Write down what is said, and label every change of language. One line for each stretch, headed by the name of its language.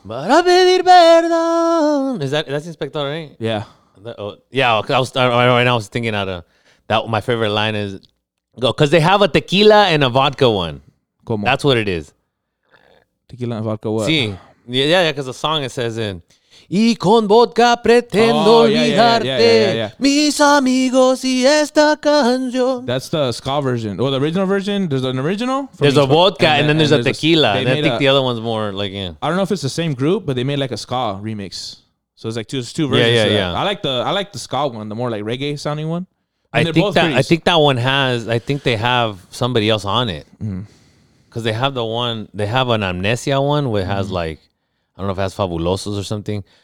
Spanish: Para pedir perdón.
English: Is that's Inspector, right? Yeah. I was thinking out of that. My favorite line is go because they have a tequila and a vodka one.
Spanish: Como?
English: That's what it is. Tequila and vodka. What? See, yeah, because the song it says in.
Spanish: Y con vodka pretendo olvidarte, mis amigos y esta canción.
English: That's the ska version. Well, the original version, there's an original. There's a vodka and then there's a tequila. And I think the other one's more like, I don't know if it's the same group, but they made like a ska remix. So it's like two versions. Yeah. I like the ska one, the more like reggae sounding one. I think they have somebody else on it. Because they have the one, they have an Amnesia one where it has like, I don't know if it has Fabulosos or something.